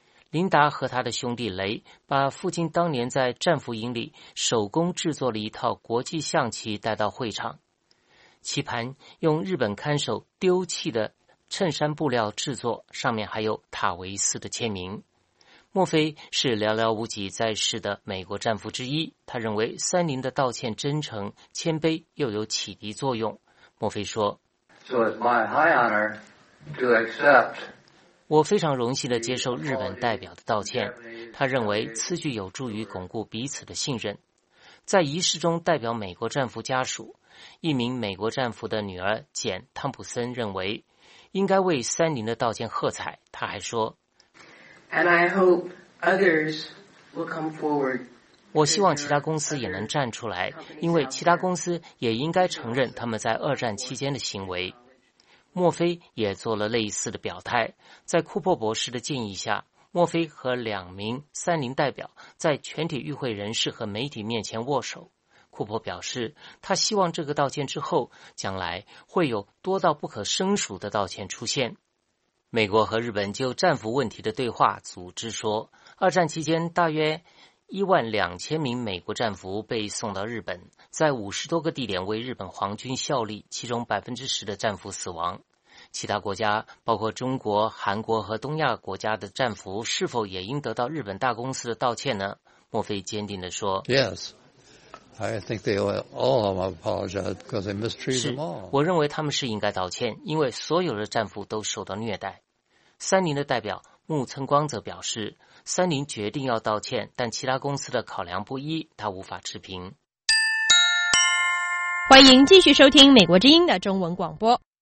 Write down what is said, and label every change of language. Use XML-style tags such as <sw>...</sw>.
<zh>琳达和他的兄弟雷把父亲当年在战俘营里手工制作了一套国际象棋带到会场，棋盘用日本看守丢弃的衬衫布料制作，上面还有塔维斯的签名。墨菲是寥寥无几在世的美国战俘之一，他认为三菱的道歉真诚谦卑又有启迪作用。墨菲说，</zh> <en>So it's my high honor to accept，</en> <zh>我非常荣幸地接受日本代表的道歉，他认为此举有助于巩固彼此的信任。在仪式中代表美国战俘家属，一名美国战俘的女儿简·汤普森认为应该为三菱的道歉喝彩。他还说，</zh> <en>And I hope others will come forward.</en> <zh>我希望其他公司也能站出来，因为其他公司也应该承认他们在二战期间的行为。墨菲也做了类似的表态，在库珀博士的建议下，墨菲和两名三菱代表在全体与会人士和媒体面前握手。库珀表示，他希望这个道歉之后，将来会有多到不可胜数的道歉出现。美国和日本就战俘问题的对话组织说，二战期间大约12000名美国战俘被送到日本，在50多个地点为日本皇军效力，其中10%的战俘死亡。其他国家，包括中国、韩国和东亚国家的战俘，是否也应得到日本大公司的道歉呢？墨菲坚定地说</zh> <en>：“Yes, I think they all apologize because they mistreated them all。</en> <zh>我认为他们是应该道歉，因为所有的战俘都受到虐待。”三菱的代表木村光则表示，三菱决定要道歉，但其他公司的考量不一，他无法持平。欢迎继续收听美国之音的中文广播。</zh>